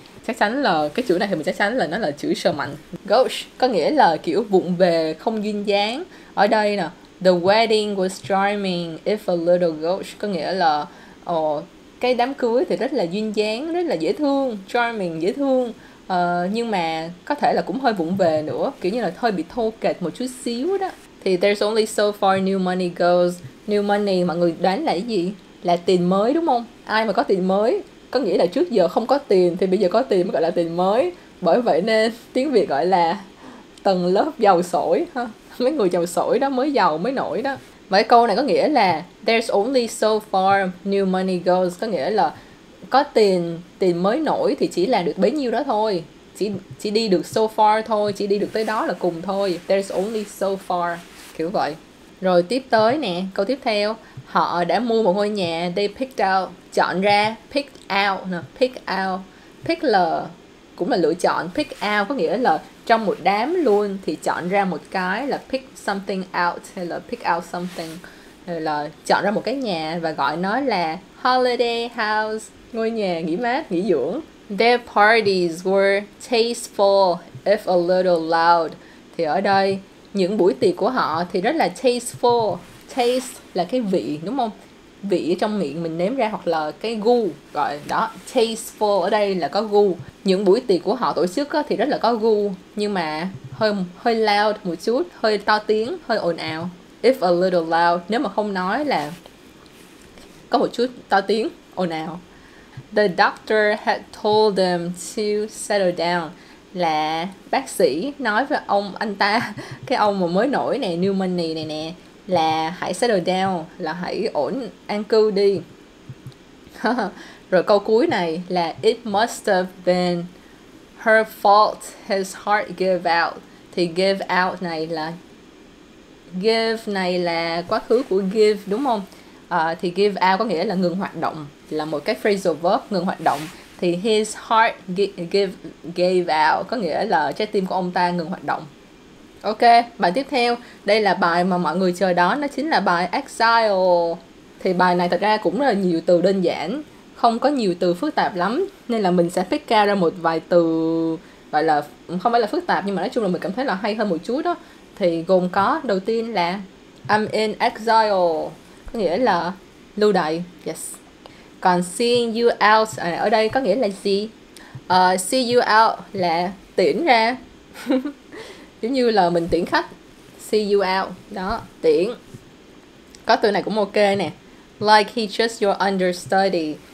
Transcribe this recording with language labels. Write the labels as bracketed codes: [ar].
[vi] Chắc chắn là cái chữ này thì mình chắc chắn là nó là chữ sờ mạnh. Gauche có nghĩa là kiểu vụng về, không duyên dáng. Ở đây nè, [en] the wedding was charming if a little gauche, [vi] có nghĩa là cái đám cưới thì rất là duyên dáng, rất là dễ thương, charming, dễ thương. Nhưng mà có thể là cũng hơi vụng về nữa, kiểu như là hơi bị thô kệch một chút xíu đó. Thì [en] there's only so far new money goes. New money [vi] mọi người đoán là cái gì? Là tiền mới đúng không? Ai mà có tiền mới, có nghĩa là trước giờ không có tiền thì bây giờ có tiền mới gọi là tiền mới. Bởi vậy nên tiếng Việt gọi là tầng lớp giàu sổi ha. Mấy người giàu sổi đó mới giàu mới nổi đó. Vậy câu này có nghĩa là [en] there's only so far new money goes, [vi] có nghĩa là có tiền tiền mới nổi thì chỉ làm được bấy nhiêu đó thôi. Chỉ đi được [en] so far [vi] thôi, chỉ đi được tới đó là cùng thôi. [en] There's only so far, [vi] kiểu vậy. Rồi tiếp tới nè, câu tiếp theo. Họ đã mua một ngôi nhà, [en] they picked out, [vi] chọn ra, [en] pick out [vi] nè, pick out. Pick là cũng là lựa chọn, pick out có nghĩa là trong một đám luôn thì chọn ra một cái là [en] pick something out [vi] hay là [en] pick out something, [vi] hay là chọn ra một cái nhà và gọi nó là [en] holiday house, [vi] ngôi nhà nghỉ mát, nghỉ dưỡng. [en] Their parties were tasteful if a little loud. [vi] Thì ở đây, những buổi tiệc của họ thì rất là tasteful. Taste là cái vị, đúng không? Vị ở trong miệng mình nếm ra hoặc là cái gu. Rồi, đó, tasteful ở đây là có gu. Những buổi tiệc của họ tổ chức á, thì rất là có gu. Nhưng mà hơi hơi loud một chút, hơi to tiếng, hơi ồn ào. [en] If a little loud, [vi] nếu mà không nói là có một chút to tiếng, ồn ào. [en] The doctor had told them to settle down. [vi] Là bác sĩ nói với ông anh ta, cái ông mà mới nổi này, [en] new money [vi] này nè, là hãy [en] settle down, [vi] là hãy ổn an cư đi. Rồi câu cuối này là [en] it must have been her fault his heart gave out. [vi] Thì [en] give out [vi] này là give này là quá khứ của give đúng không? Thì [en] give out [vi] có nghĩa là ngừng hoạt động, là một cái [en] phrasal verb [vi] ngừng hoạt động. Thì [en] his heart gave out [vi] có nghĩa là trái tim của ông ta ngừng hoạt động. Ok, bài tiếp theo. Đây là bài mà mọi người chờ đón, nó chính là bài Exile. Thì bài này thật ra cũng là nhiều từ đơn giản, không có nhiều từ phức tạp lắm, nên là mình sẽ pick ra một vài từ gọi là không phải là phức tạp nhưng mà nói chung là mình cảm thấy là hay hơn một chút đó. Thì gồm có đầu tiên là [en] I'm in exile, [vi] có nghĩa là lưu đày. Yes. Còn [en] seeing you out [vi] ở đây có nghĩa là gì? [en] See you out [vi] là tiễn ra. Giống như là mình tiễn khách. [en] See you out. [vi] Đó, tiễn. Có từ này cũng ok nè. [en] Like he's just your understudy.